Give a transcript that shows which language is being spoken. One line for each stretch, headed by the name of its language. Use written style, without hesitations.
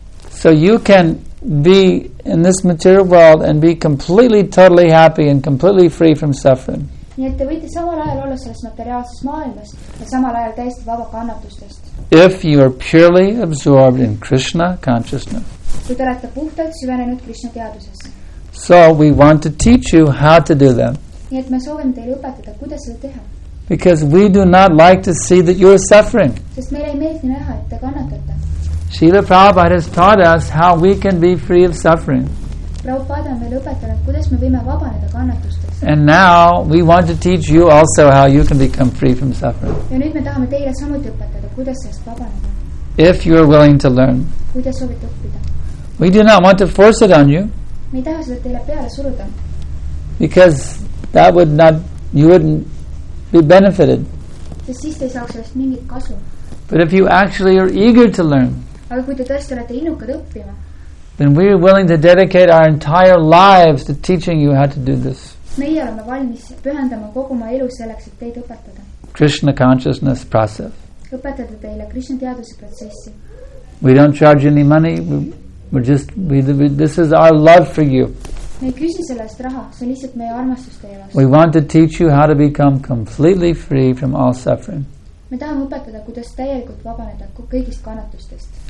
English: So you can be in this material world and be completely, totally happy and completely free from suffering.
Estonian: Nii et te võite samal ajal olla selles materiaalses maailmas ja samal ajal täiesti vaba kannatustest.
English: If you are purely absorbed in Krishna consciousness.
Estonian: Kui te olete puhtalt süvenenud Krishna teaduses.
English: So we want to teach you how to do that.
Estonian: Nii et me soovime teile õpetada, kuidas seda teha.
English: Because we do not like to see that you are suffering.
Estonian: Sest meile ei meeldi näha, et te kannatate.
English: Srila Prabhupada has taught us how we can be free of suffering.
Estonian: Prabhupada on meile õpetanud, kuidas me võime vabaneda kannatustest.
English: And now we want to teach you also how you can become free from suffering.
Estonian: Ja nüüd me tahame teile samuti õpetada, kuidas sellest vabaneda.
English: If you are willing to learn.
Estonian: Kui te soovite õppida.
English: We do not want to force it on you.
Estonian: Me ei taha seda teile peale suruda.
English: Because that would not, you wouldn't be benefited.
Estonian: Sest siis te ei saaks sellest mingit kasu.
English: But if you actually are eager to learn.
Estonian: Aga kui te tõesti olete innukad õppima.
English: Then we are willing to dedicate our entire lives to teaching you how to do this.
Estonian: Meie oleme valmis pühendama koguma elu selleks, et teid õpetada.
English: Krishna consciousness process.
Estonian: Õpetada teile Krishna teaduse protsessi.
English: We don't charge any money. We this is our love for you.
Estonian: Me ei küsi sellest raha. See on lihtsalt meie armastus teie vastu.
English: We want to teach you how to become completely free from all suffering.
Estonian: Me tahame õpetada, kuidas täielikult vabaneda kõigist kannatustest.